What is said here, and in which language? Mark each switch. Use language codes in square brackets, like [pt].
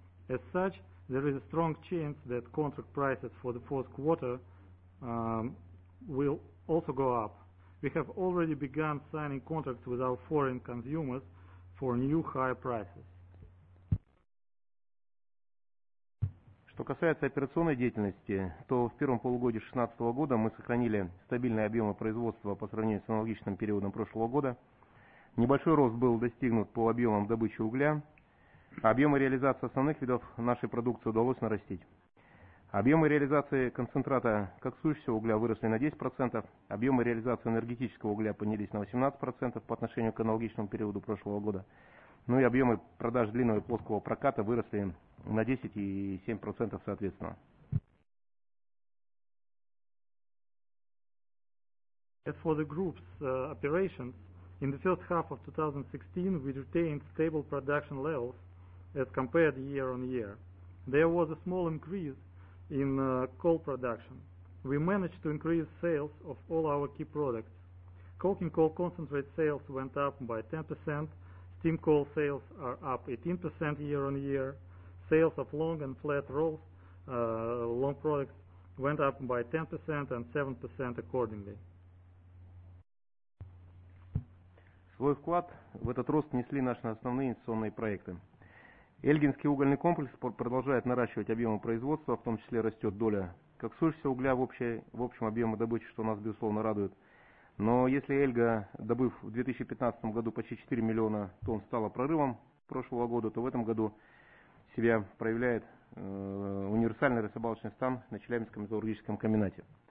[en] As such, there is a strong chance that contract prices for the fourth quarter will also go up. We have already begun signing contracts with our foreign consumers for new higher prices. [ru] Что касается операционной деятельности, то в первом полугодии 2016 года мы сохранили стабильные объемы производства по сравнению с аналогичным периодом прошлого года. Небольшой рост был достигнут по объемам добычи угля. Объемы реализации основных видов нашей продукции удалось нарастить. Объемы реализации концентрата коксующегося угля выросли на 10%. Объемы реализации энергетического угля поднялись на 18% по отношению к аналогичному периоду прошлого года. Ну и объемы продаж длинного и плоского проката выросли на 10,7% соответственно. [en] As for the group's operations, in the first half of 2016, we retained stable production levels as compared year on year. There was a small increase in coal production. We managed to increase sales of all our key products. Coking coal concentrate sales went up by 10%. Steam coal sales are up 18% year on year. Sales of long and flat rolls, long products, went up by 10% and 7% accordingly. [ru] Свой вклад в этот рост внесли наши основные инвестиционные проекты. Эльгинский угольный комплекс продолжает наращивать объемы производства, в том числе растет доля коксующегося угля в общем объеме добычи, что нас безусловно радует. Но если Эльга, добыв в 2015 году почти 4 миллиона тонн, стала прорывом прошлого года, то в этом году себя проявляет универсальный рыбалочный стан на Челябинском металлургическом комбинате.